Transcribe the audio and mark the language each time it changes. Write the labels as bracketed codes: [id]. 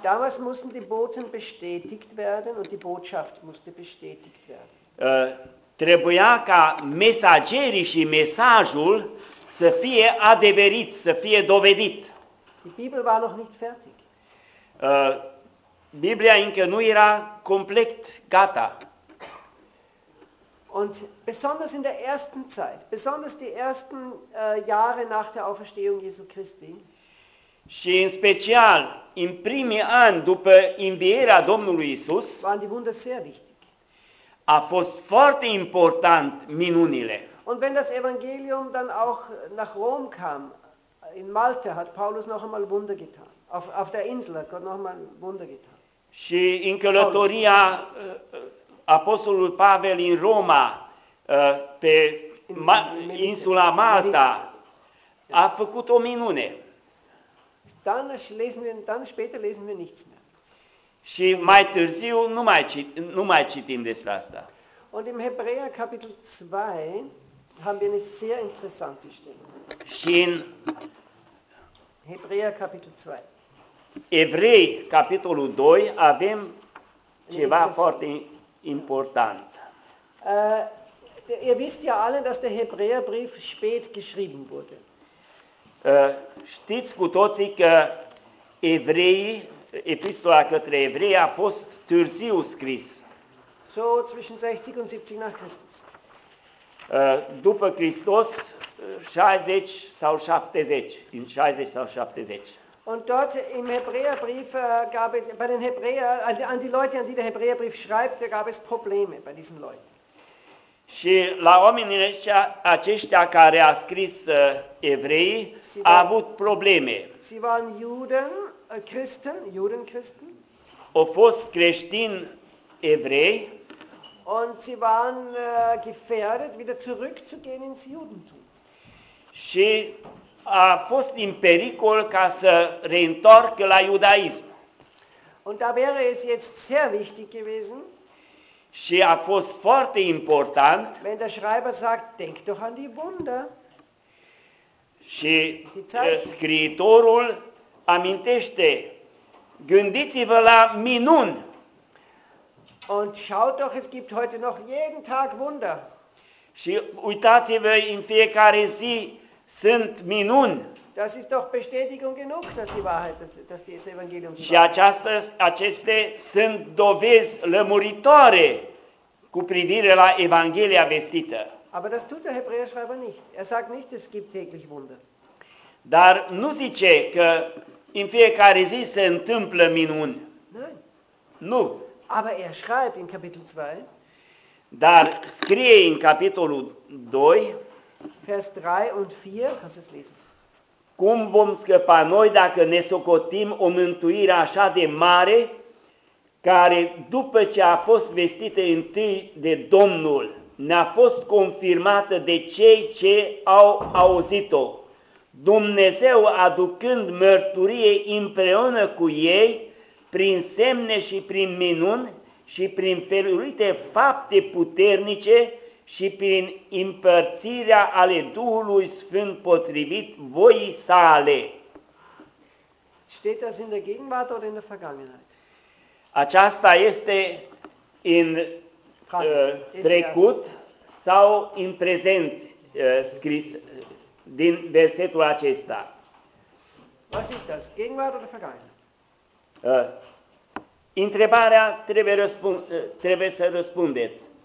[de] Damals mussten die Boten bestätigt werden und die Botschaft musste bestätigt werden. [ro] Trebuia ca mesagerii și mesajul să fie adeverit, să fie dovedit. [de] Die Bibel war noch nicht fertig. [ro] Biblia încă nu era complet gata. [de] Und besonders in der ersten Zeit, besonders die ersten Jahre nach der Auferstehung Jesu Christi. [ro] Și în special în primii ani după învierea Domnului Isus, [de] waren die Wunder sehr wichtig. [ro] A fost foarte important minunile. [de] Und wenn das Evangelium dann auch nach Rom kam, in Malta hat Paulus noch einmal Wunder getan. Auf der Insel hat Gott noch einmal Wunder getan. [ro] Și în călătoria apostolul Pavel în Roma, pe insula Malta, a făcut o minune. [de] Dann später lesen wir nichts mehr. [ro] Și mai târziu nu mai citim despre asta. [de] Und im Hebräer Kapitel 2 haben wir eine sehr interessante Stelle. [ro] Și în [de] Hebräer Kapitel 2. [ro] Evrei capitolul 2 avem ceva foarte important. [de] Ihr wisst ja alle, dass der Hebräerbrief spät geschrieben wurde. [ro] Știți cu toții că evreii Epistola către evrei a fost târziu scris. [de] So zwischen 60 und 70 nach Christus. [ro] După Hristos, 60 sau 70, in 60 sau 70. [de] Und dort im Hebräerbrief gab es bei den Hebräer, an die Leute, an die der Hebräerbrief schreibt, da gab es Probleme bei diesen Leuten. [ro] Și la oamenii aceștia care a scris evrei a avut probleme. [de] Sie waren Juden. Christen, Judenchristen. [ro] O fost creștin evrei. [de] Und sie waren gefährdet, wieder zurückzugehen ins Judentum. [ro] Și a fost în pericol ca să reîntoarcă la iudaism. [de] Und da wäre es jetzt sehr wichtig gewesen. [ro] Și a fost foarte important. [de] Wenn der Schreiber sagt, denk doch an die Wunder. [ro] Și scriitorul amintește, gândiți-vă la minuni. [de] Und schaut doch, es gibt heute noch jeden Tag Wunder. [ro] Și uitați-vă, în fiecare zi sunt minuni. [de] Das ist doch Bestätigung genug, dass die Wahrheit, dass das Evangelium. [ro] Și aceste sunt dovezi lămuritoare cu privire la Evanghelia vestită. [de] Aber das tut der Hebräerschreiber nicht. Er sagt nicht, es gibt täglich Wunder. [ro] Dar nu zice că in fiecare zi se întâmplă minuni. [de] Nein. [ro] Nu. [de] Aber er schreibt in Kapitel 2. [ro] Dar scrie in capitolul 2. [de] Vers 3 und 4, kannst du es lesen? [ro] Cum vom scăpa noi dacă ne socotim o mântuire așa de mare, care după ce a fost vestită întâi de Domnul, ne-a fost confirmată de cei ce au auzit-o? Dumnezeu aducând mărturie împreună cu ei prin semne și prin minuni și prin felurite fapte puternice și prin împărțirea ale Duhului Sfânt potrivit voii sale. [de] Steht das in der Gegenwart oder in der Vergangenheit? [ro] Aceasta este în trecut sau în prezent scris din versetul acesta. [de] Was ist das? Gegenwart oder Vergangenheit? [ro] Întrebarea trebuie, trebuie să răspundeți.